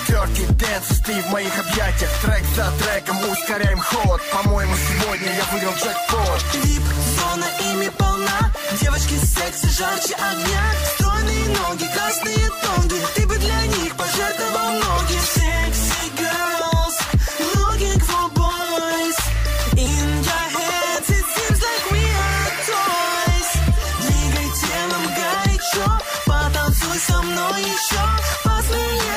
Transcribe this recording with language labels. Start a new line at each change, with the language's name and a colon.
English: Dirty dance,
Russian: ты в моих объятиях. Трек за треком, ускоряем ход. По-моему, сегодня я выиграл джекпот. Вип-зона, ими полна. Девочки секси, жарче огня. Стройные ноги, красные тонги. Ты бы для них пожертвовал ноги.
English: Секси girls, looking for boys. In your heads, it seems like we are toys.
Russian: Двигай телом горячо, потанцуй со мной еще.